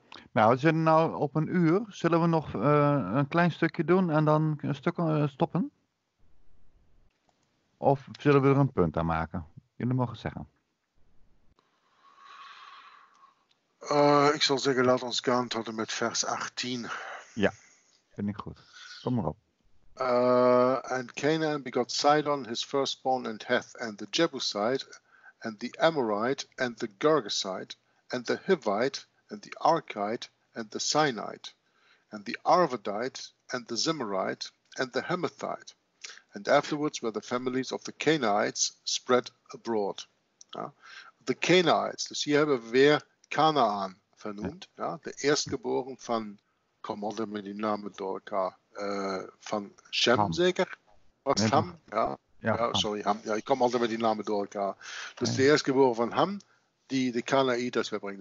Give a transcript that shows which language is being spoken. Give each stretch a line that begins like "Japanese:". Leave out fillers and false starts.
Dutch: Nou, we zitten nu op een uur. Zullen we nog een klein stukje doen en dan een stuk stoppen? Of zullen we er een punt aan maken? Jullie mogen zeggen. Ik zal zeggen, laat ons gaan tot en met vers 18. Ja, vind ik goed. Kom maar op.
English: And Canaan begot Sidon, his firstborn, and Heth, and the Jebusite, and the Amorite, and the Girgashite, and the Hivite, and the Arkite, and the Sinite, and the Arvadite, and the Zimmerite, and the Hamathite. And afterwards were the families of the Canaanites spread abroad.
Dutch: The Canaanites, dus hier hebben we weer Kanaan vernoemd, ja, de eerstgeboren van, kom altijd met die namen door elkaar, van Shem Ham. Zeker? Was nee, Ham? Ja, ja, ja, sorry, Ham. Ja, ik kom altijd met die namen door elkaar. Dus nee. De eerstgeboren van Ham, die de Kanaïters verbrengt.